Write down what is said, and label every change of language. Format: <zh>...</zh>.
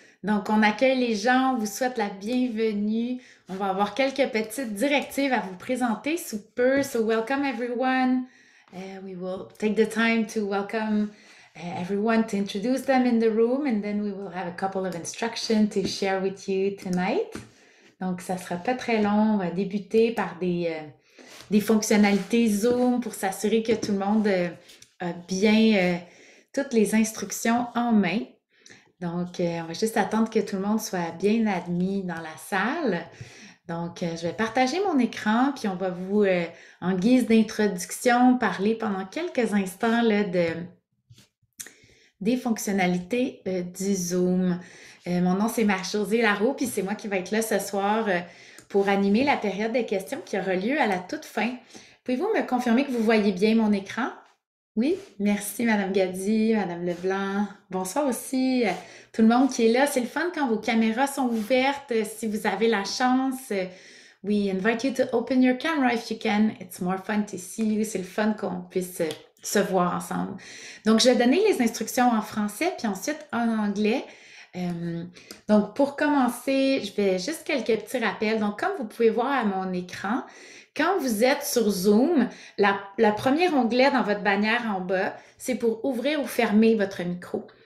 <fr>Donc, on accueille les gens, on vous souhaite la bienvenue. On va avoir quelques petites directives à vous présenter sous peu.</fr> <en>So, welcome everyone. We will take the time to welcome everyone to introduce them in the room and then we will have a couple of instructions to share with you tonight.</en> <fr>Donc, ça ne sera pas très long. On va débuter par des fonctionnalités Zoom pour s'assurer que tout le monde a bien. Toutes les instructions en main. Donc, on va juste attendre que tout le monde soit bien admis dans la salle. Donc, je vais partager mon écran, puis on va vous, en guise d'introduction, parler pendant quelques instants là, des fonctionnalités du Zoom. Mon nom, c'est Marie-Josée Larrault, puis c'est moi qui vais être là ce soir pour animer la période des questions qui aura lieu à la toute fin. Pouvez-vous me confirmer que vous voyez bien mon écran? Oui, merci Madame Gadi, Madame Leblanc. Bonsoir aussi tout le monde qui est là. C'est le fun quand vos caméras sont ouvertes, si vous avez la chance.</fr> <en>We invite you to open your camera if you can. It's more fun to see you.</en> <fr>C'est le fun qu'on puisse se voir ensemble. Donc, je vais donner les instructions en français, puis ensuite en anglais. Donc, pour commencer, je vais juste quelques petits rappels. Donc, comme vous pouvez voir à mon écran, quand vous êtes sur Zoom, la première onglet dans votre bannière en bas, c'est pour ouvrir ou fermer votre micro.</fr>